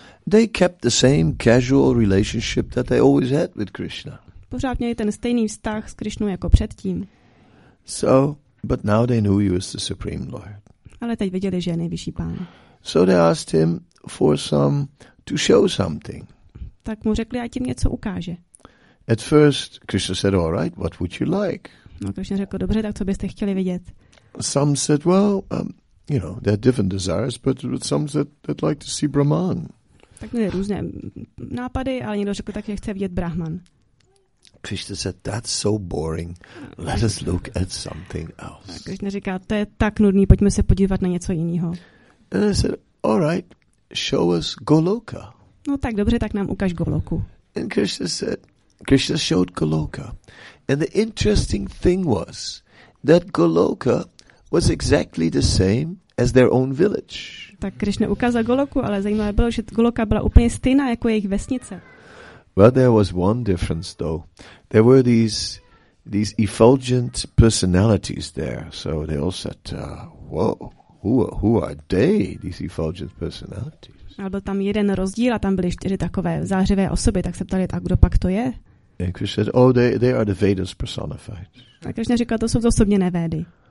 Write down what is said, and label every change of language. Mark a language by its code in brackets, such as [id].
[en] They kept the same casual relationship that they always had with Krishna. [cs] Pořád měli ten stejný vztah s Krishnou jako předtím. [en] So, but now they knew he was the Supreme Lord. [cs] Ale teď viděli, že je nejvyšší pán. [en] So they asked him to show something. [cs] Tak mu řekli, ať jim něco ukáže. [en] At first Krishna said, all right, what would you like? [cs] No Krishna řekl, dobře, tak co byste chtěli vidět? [en] Some said, well, you know, there are different desires, but some said they'd like to see Brahman. [cs] Tak měli různé nápady, ale někdo řekl tak, že chce vidět Brahman. [en] Krishna said, that's so boring. Let us look at something else. [cs] Krishna říká, to je tak nudný, pojďme se podívat na něco jiného. [en] And I said, all right, show us Goloka. [cs] No tak dobře, tak nám ukaž Goloku. [en] And Krishna said, Krishna showed Goloka. And the interesting thing was that Goloka was exactly the same as their own village. [cs] Tak Krishna ukázal Goloku, ale zajímavé bylo, že Goloka byla úplně stejná jako jejich vesnice. [en] Well, there was one difference though. There were these effulgent personalities there. So they all said, who are they, these effulgent personalities? [cs] Ale byl tam jeden rozdíl a tam byly čtyři takové zářivé osoby, tak se ptali, tak kdo pak to je? [en] And Krishna said, oh, they are the Vedas personified. [cs] A Krishna říkal, to jsou zosobněné Védy.